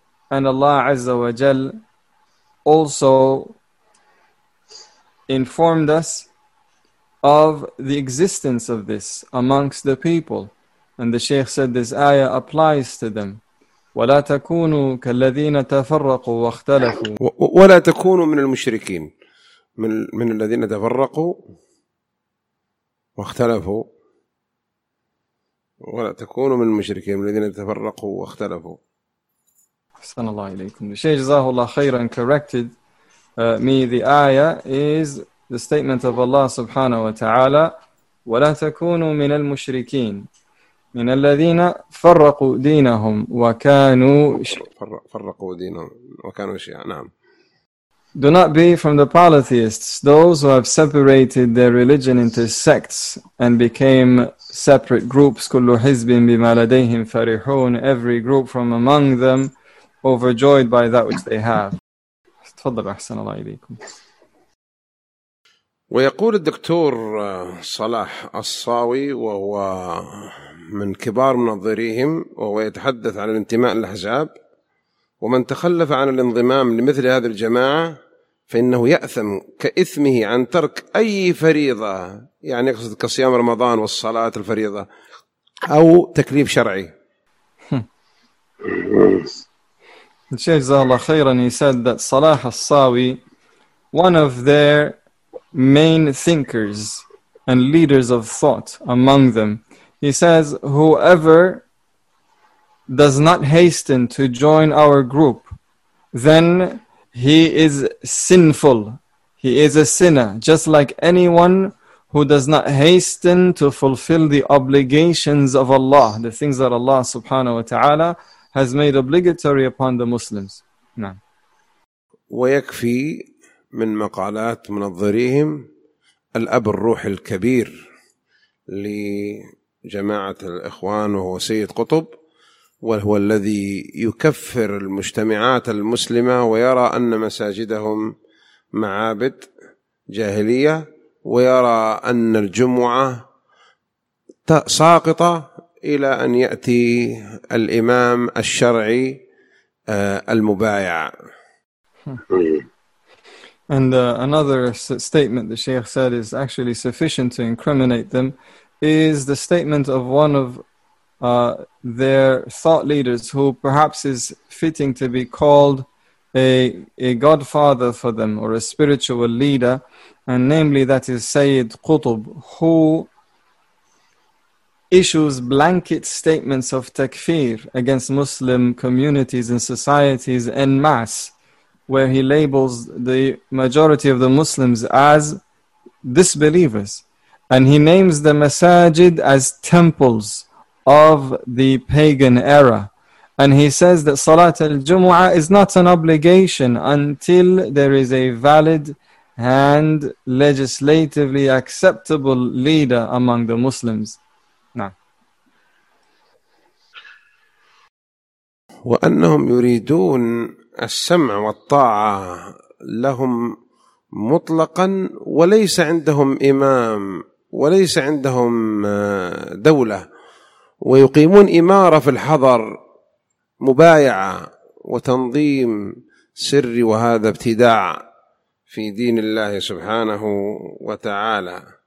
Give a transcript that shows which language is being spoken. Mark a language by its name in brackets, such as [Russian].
[English] And Allah azza wa jal also informed us of the existence of this amongst the people. And the Shaykh said this ayah applies to them. [Arabic] وَلَا تَكُونُوا كَالَّذِينَ تَفَرَّقُوا وَاخْتَلَفُوا وَلَا تَكُونُوا مِنَ الْمُشْرِكِينَ من الذين تفرقوا واختلفوا وَلَا تَكُونُوا مِنَ الْمُشْرِكِينَ من الذين تفرقوا واختلفوا أحسن الله إليكم [English] The Shaykh [Arabic] جزاه الله خيرا [English] and corrected me the ayah is The statement of Allah subhanahu wa ta'ala, [Arabic] وَلَا تَكُونُوا مِنَ الْمُشْرِكِينَ مِنَ الَّذِينَ فَرَّقُوا دِينَهُمْ وَكَانُوا فَرَّقُوا دِينَهُمْ وَكَانُوا شِيَعًا نعم. [English] Do not be from the polytheists, those who have separated their religion into sects and became separate groups, [Arabic] كُلُّ حِزْبٍ بِمَا لَدَيْهِمْ فَرِحُونَ [English] Every group from among them overjoyed by that which they have. [Arabic] تفضل أحسن الله إليكم. ويقول الدكتور صلاح الصاوي وهو من كبار منظريهم وهو يتحدث عن الانتماء للأحزاب ومن تخلف عن الانضمام لمثل هذه الجماعة فإنه يأثم كإثمه عن ترك أي فريضة يعني يقصد كصيام رمضان والصلاة الفريضة أو تكليف شرعي [English] Shaykh Zahla Khairan, he said that Salah al-Sawi, one of their main thinkers and leaders of thought among them, he says, whoever does not hasten to join our group, then he is sinful. He is a sinner, just like anyone who does not hasten to fulfill the obligations of Allah, the things that Allah subhanahu wa ta'ala has made obligatory upon the Muslims. [Arabic] نعم. ويكفي من مقالات منظريهم الأب الروح الكبير لجماعة الإخوان وهو سيد قطب وهو الذي يكفر المجتمعات المسلمة ويرى أن مساجدهم معابد جاهلية ويرى أن الجمعة ساقطة إلى أن يأتي الإمام الشرعي المبايع. [English] And another statement the Shaykh said is actually sufficient to incriminate them is the statement of one of their thought leaders who perhaps is fitting to be called a godfather for them or a spiritual leader, and namely that is Sayyid Qutb, who issues blanket statements of takfir against Muslim communities and societies en masse, where he labels the majority of the Muslims as disbelievers. And he names the masajid as temples of the pagan era. And he says that Salat al-Jumu'ah is not an obligation until there is a valid and legislatively acceptable leader among the Muslims. [Arabic] وأنهم يريدون السمع والطاعة لهم مطلقا وليس عندهم إمام وليس عندهم دولة ويقيمون إمارة في الحضر مبايعة وتنظيم سري وهذا ابتداع في دين الله سبحانه وتعالى.